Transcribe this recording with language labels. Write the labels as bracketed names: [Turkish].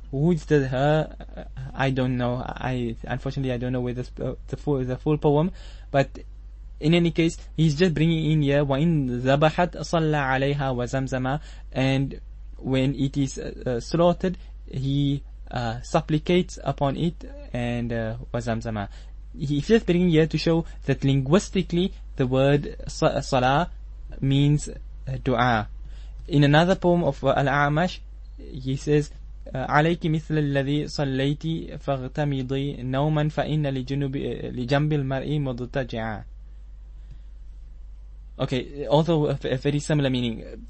[English] Who's the her? I don't know. I don't know where the full poem, but in any case, he's just bringing in here, [Arabic] wa in zabahat salla alayha wa zamzama, [English] and when it is slaughtered, he supplicates upon it and wazamzama. He's just bringing here to show that linguistically the word salah means dua. In another poem of Al-A'mash, he says, [Arabic] عليك مثل الذي صليتي فاغتمضي نوما فإن لجنب المرء مضطجعا. [English] Okay, also a very similar meaning.